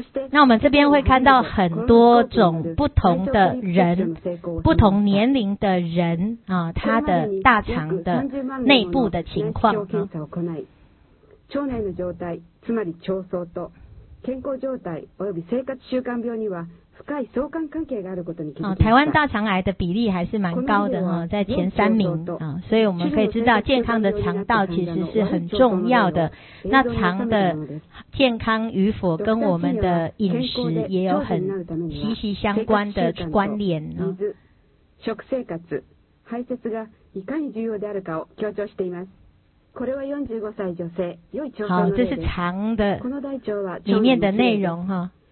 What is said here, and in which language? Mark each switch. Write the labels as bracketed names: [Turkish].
[Chinese] 那我们这边会看到很多种不同的人，不同年龄的人啊，他的大肠的内部的情况啊。 [Japanese] 腸内の状態、つまり腸相と健康状態及び生活習慣病には深い相関関係があることに気づきました。 [Chinese] 台湾大肠癌的比例还是蛮高的啊，在前三名啊，所以我们可以知道健康的肠道其实是很重要的。那肠的健康与否跟我们的饮食也有很息息相关的关联啊。 [Japanese] 食生活、排泄がいかに重要であるかを強調しています。 [Chinese] 好，这是肠的里面的内容哈。